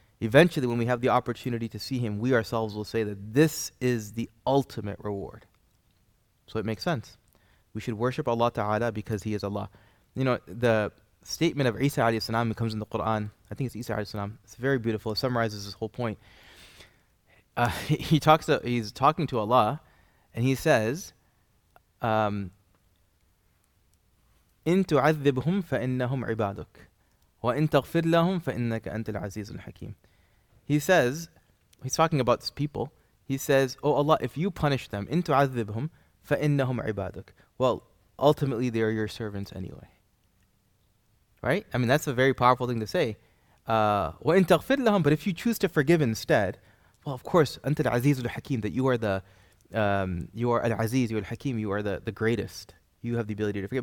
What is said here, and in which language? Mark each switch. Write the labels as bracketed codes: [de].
[en] Eventually, when we have the opportunity to see him, we ourselves will say that this is the ultimate reward. So it makes sense. We should worship Allah Ta'ala because he is Allah. You know, the statement of Isa alayhi salam comes in the Quran. I think it's Isa alayhi salam. It's very beautiful. It summarizes this whole point. He's talking to Allah, and he says, [ar] إِن تُعَذِّبْهُمْ فَإِنَّهُمْ عِبَادُكَ وَإِن تَغْفِرْ لَهُمْ فَإِنَّكَ أَنْتَ الْعَزِيزُ الْحَكِيمُ. [en] He says, he's talking about these people. He says, oh Allah, if you punish them, [ar] إِن تُعَذِّبْهُمْ فَإِنَّهُمْ عِبَادُكَ. [en] Well, ultimately they are your servants anyway. Right? I mean, that's a very powerful thing to say. [ar] وَإِن تَغْفِرْ لَهُمْ, [en] but if you choose to forgive instead, well, of course, [ar] أَنْتَ الْعَزِيزُ الْحَكِيمُ, [en] that you are the, you are al-aziz, you are al-hakim, you are the greatest. You have the ability to forgive.